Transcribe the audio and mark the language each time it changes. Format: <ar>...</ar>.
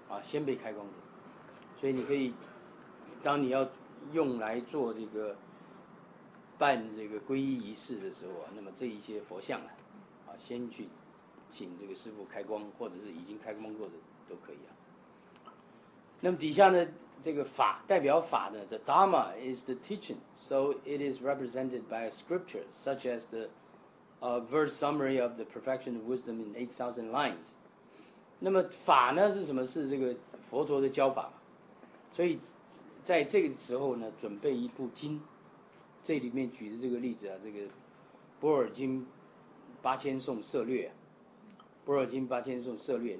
<zh>先被开光的，所以你可以，当你要用来做这个办这个皈依仪式的时候啊，那么这一些佛像啊，啊，先去请这个师父开光，或者是已经开光过的都可以啊。那么底下呢，这个法代表法呢</zh> <en>，the Dharma is the teaching, so it is represented by a scripture such as the verse summary of the perfection of wisdom in 8,000 lines.</en> <zh>那么法呢是什么？是这个佛陀的教法，所以在这个时候呢，准备一部经。这里面举的这个例子啊，这个般若经八千颂摄略，般若经八千颂摄略。</zh>